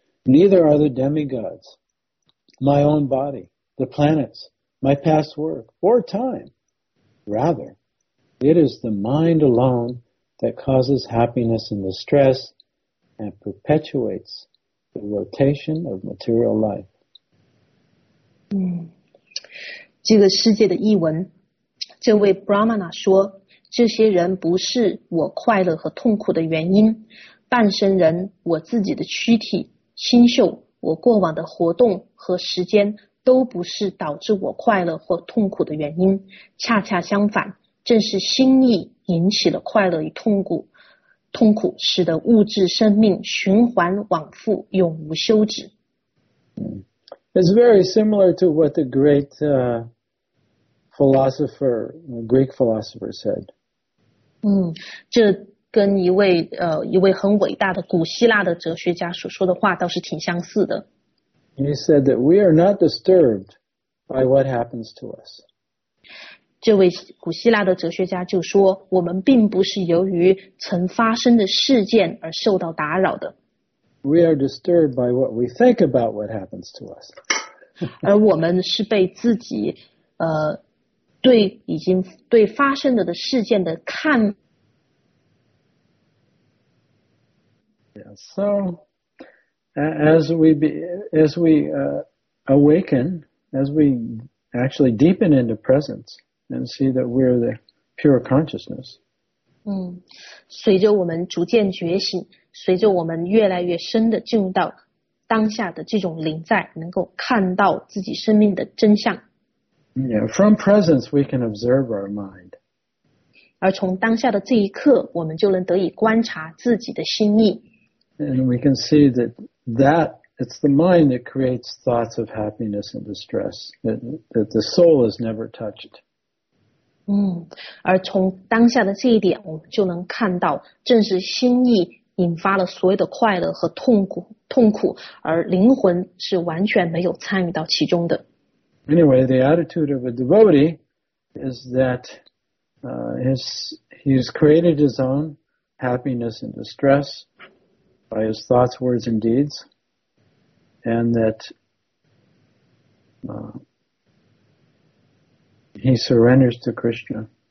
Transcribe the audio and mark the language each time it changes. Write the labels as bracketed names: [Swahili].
[English] Neither are the demigods, my own body, the planets, my past work, or time. Rather, it is the mind alone that causes happiness and distress and perpetuates the rotation of material life." [Chinese] 这个世界的译文，这位 Brahmana 说，这些人不是我快乐和痛苦的原因，半身人，我自己的躯体，清秀，我过往的活动和时间都不是导致我快乐或痛苦的原因，恰恰相反，正是心意引起了快乐与痛苦，使得物质生命循环往复，永无休止。 [English] It's very similar to what the great philosopher, Greek philosopher said. [Chinese] 这跟一位很伟大的古希腊的哲学家所说的话倒是挺相似的。 [English] He said that we are not disturbed by what happens to us. [Chinese] 这位古希腊的哲学家就说，我们并不是由于曾发生的事件而受到打扰的。 [English] We are disturbed by what we think about what happens to us. [Chinese] 而我们是被自己对已经对发生的事件的看。 [English] Yeah, so as we awaken, as we actually deepen into presence and see that we're the pure consciousness. [Chinese] 随着我们逐渐觉醒，随着我们越来越深的进入到当下的这种灵在，能够看到自己生命的真相。 [English] Yeah, from presence we can observe our mind. [Chinese] 而从当下的这一刻，我们就能得以观察自己的心意。 [English] And we can see that it's the mind that creates thoughts of happiness and distress, that the soul is never touched. [Chinese] 而从当下的这一点，我们就能看到，正是心意引发了所有的快乐和痛苦，而灵魂是完全没有参与到其中的。 [English] Anyway, the attitude of a devotee is that he's created his own happiness and distress by his thoughts, words, and deeds, and that he surrenders to Krishna.